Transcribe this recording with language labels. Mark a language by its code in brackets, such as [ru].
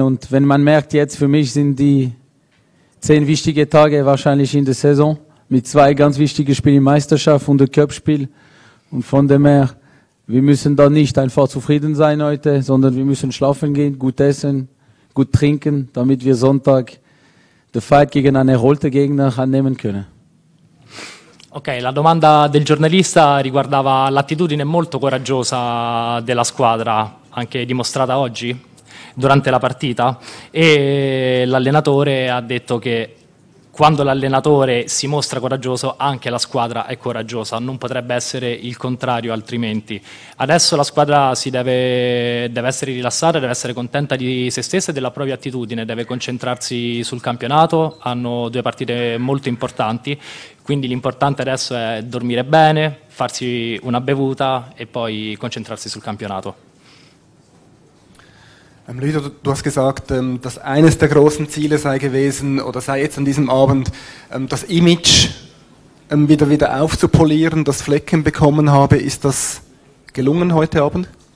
[de] Und wenn man merkt, jetzt für mich sind die 10 wichtige Tage wahrscheinlich in der Saison mit 2 ganz wichtigen Spielen, Meisterschaft und der Cup-Spiel. Und von dem her, wir müssen da nicht einfach zufrieden sein heute, sondern wir müssen schlafen gehen, gut essen, gut trinken, damit wir Sonntag den Fight gegen einen erholten Gegner annehmen können. [it] Ok, la domanda del giornalista riguardava l'attitudine molto coraggiosa della squadra, anche dimostrata oggi, durante la partita, e l'allenatore ha detto che quando l'allenatore si mostra coraggioso, anche la squadra è coraggiosa, non potrebbe essere il contrario altrimenti. Adesso la squadra si deve essere rilassata, deve essere contenta di se stessa e della propria attitudine, deve concentrarsi sul campionato, hanno 2 partite molto importanti, quindi l'importante adesso è dormire bene, farsi una bevuta e poi concentrarsi sul campionato. [de] Ludo, du hast gesagt, dass eines der großen Ziele sei gewesen oder sei jetzt an diesem Abend, das Image wieder aufzupolieren, das Flecken bekommen habe. Ist das gelungen heute Abend?